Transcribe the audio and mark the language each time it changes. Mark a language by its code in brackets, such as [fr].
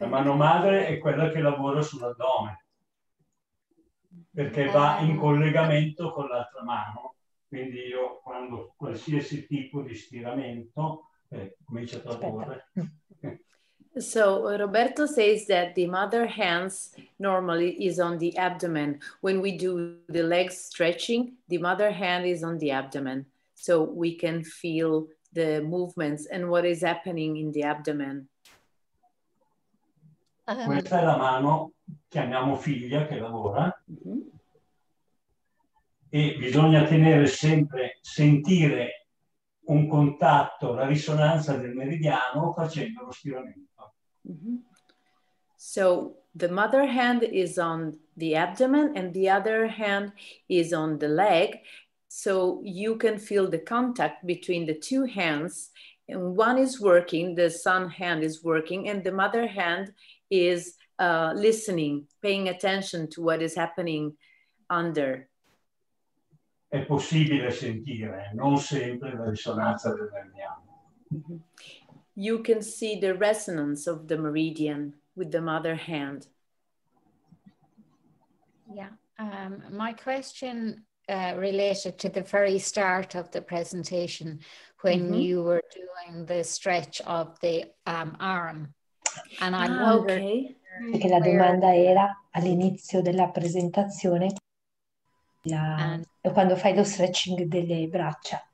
[it] La mano madre è quella che lavora sull'addome, perché va in collegamento con l'altra mano. Quindi io, quando qualsiasi tipo di stiramento, comincio a lavorare. [en] So Roberto says that the mother hands normally is on the abdomen. When we do the leg stretching, the mother hand is on the abdomen. So we can feel the movements and what is happening in the abdomen. [it] Questa è la mano, chiamiamo figlia, che lavora. Mm-hmm. E bisogna tenere sempre, sentire un contatto, la risonanza del meridiano facendo lo stiramento. Mm-hmm. [en] So the mother hand is on the abdomen and the other hand is on the leg, so you can feel the contact between the two hands, and one is working, the son hand is working, and the mother hand is listening, paying attention to what is happening under. [it] È possibile sentire, non sempre, la risonanza del meridiano. [en] You can see the resonance of the meridian with the mother hand. Yeah, my question related to the very start of the presentation when mm-hmm. you were doing the stretch of the arm. And I'm wondering... Okay. [it] Perché la domanda era all'inizio della presentazione quando fai lo stretching delle braccia.